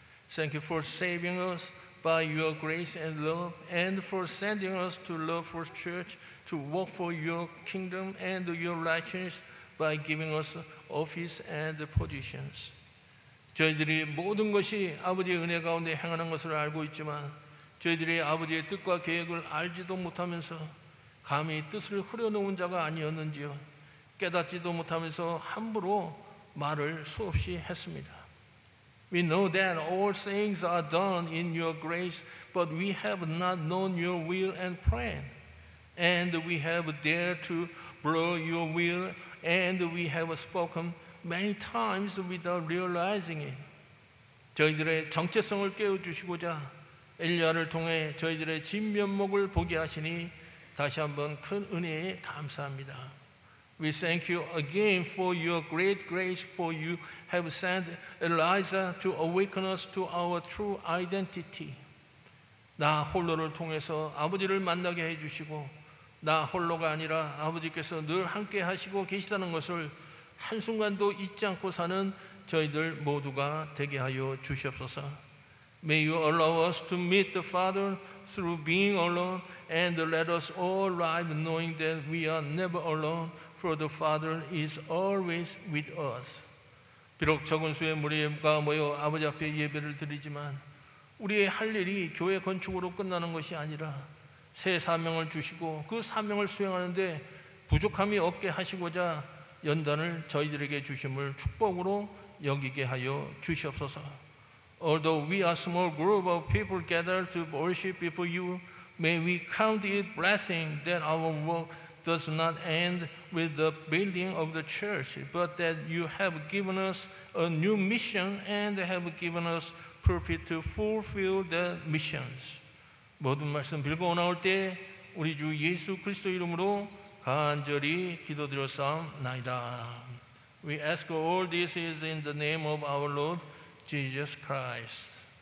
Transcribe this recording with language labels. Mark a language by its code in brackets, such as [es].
[en] Thank you for saving us by your grace and love and for sending us to Love First Church to work for your kingdom and your righteousness by giving us office and positions. [ko] 저희들이 모든 것이 아버지의 은혜 가운데 행하는 것을 알고 있지만 저희들이 아버지의 뜻과 계획을 알지도 못하면서 감히 뜻을 흐려놓은 자가 아니었는지요. 깨닫지도 못하면서 함부로 말을 수없이 했습니다. [en] We know that all things are done in your grace, but we have not known your will and plan. And we have dared to blur your will, and we have spoken many times without realizing it. [ko] 저희들의 정체성을 깨워주시고자 엘리야를 통해 저희들의 진면목을 보게 하시니 다시 한번 큰 은혜에 감사합니다. [en] We thank you again for your great grace, for you have sent Elijah to awaken us to our true identity. [ko] 나 홀로를 통해서 아버지를 만나게 해주시고 나 홀로가 아니라 아버지께서 늘 함께 하시고 계시다는 것을 한순간도 잊지 않고 사는 저희들 모두가 되게 하여 주시옵소서. [en] May you allow us to meet the Father through being alone and let us all live knowing that we are never alone, for the Father is always with us. [ko] 비록 적은 수의 무리가 모여 아버지 앞에 예배를 드리지만 우리의 할 일이 교회 건축으로 끝나는 것이 아니라 새 사명을 주시고 그 사명을 수행하는데 부족함이 없게 하시고자 연단을 저희들에게 주심을 축복으로 여기게 하여 주시옵소서. [en] Although we are a small group of people gathered to worship before you, may we count it blessing that our work does not end with the building of the church, but that you have given us a new mission and have given us profit to fulfill the missions. [ko] 모든 말씀 빌고 나올 때 우리 주 예수 그리스도 이름으로 간절히 기도드렸사옵나이다. [en] We ask all this is in the name of our Lord Jesus Christ.